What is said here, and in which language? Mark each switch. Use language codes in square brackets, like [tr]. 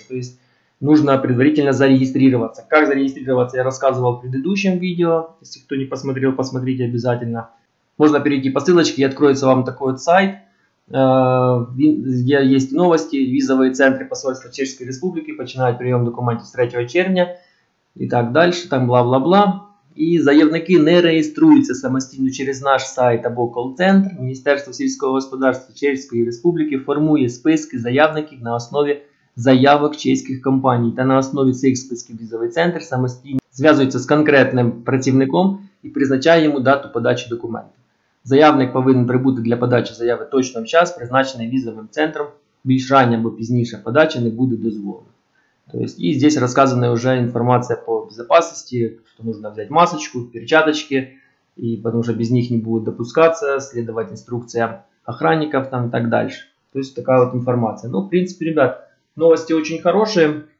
[ru] То есть нужно предварительно зарегистрироваться. Как зарегистрироваться, я рассказывал в предыдущем видео. Если кто не посмотрел, посмотрите обязательно. Можно перейти по ссылочке и откроется вам такой вот сайт, где есть новости. Визовые центры посольства Чешской Республики начинают прием документов с 3 червня. И так дальше, там бла-бла-бла. [uk] И заявники не реєструються самостійно через наш сайт або кол-центр. Міністерство сільського господарства Чеської Республіки формує списки заявників на основі заявок чеських компаній. Та на основі цих списків візовий центр самостійно зв'язується з конкретним працівником і призначає йому дату подачі документів. Заявник повинен прибути для подачі заяви точно в час, призначений візовим центром. Більш рання або пізніше подача не буде дозволена. [ru] То есть, и здесь рассказана уже информация по безопасности, что нужно взять масочку, перчаточки, и потому что без них не будет допускаться, следовать инструкциям охранников там, и так дальше. То есть такая вот информация. Ну, в принципе, ребят, новости очень хорошие.